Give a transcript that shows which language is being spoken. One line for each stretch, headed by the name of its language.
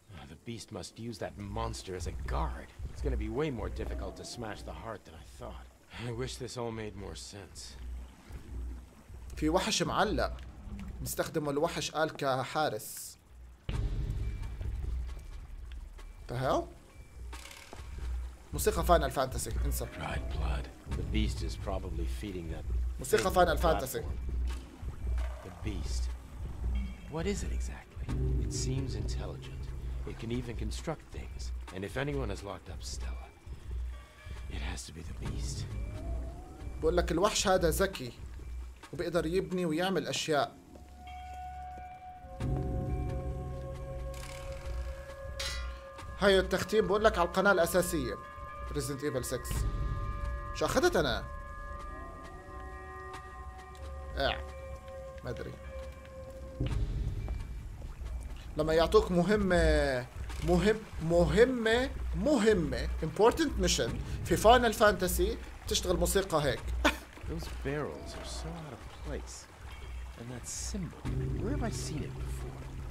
English: The beast must use that monster as a guard. It's gonna be way more difficult to smash the heart than I thought. I wish this all made more sense.
Arabic: في وحش معلق، نستخدم الوحش آل كحارس.
English: The hell?
Arabic: موسيقى فاينل فانتسي، انسى.
English: Dried blood. The beast is probably feeding that.
Arabic: موسيقى فاينل فانتسي.
English: The beast. What is it exactly? It seems intelligent. It can even construct things. And if anyone has locked up Stella, it has to be the beast.
Arabic: بقول لك الوحش هذا ذكي. وبيقدر يبني ويعمل أشياء. هاي التختيم بقول لك على القناة الأساسية Resident Evil 6. شو أخذت أنا؟ ما أدري. لما يعطوك مهمة
English: important mission
Arabic: في Final Fantasy تشتغل موسيقى هيك.
English: Those barrels are so out of place. And that symbol, where have I seen it before?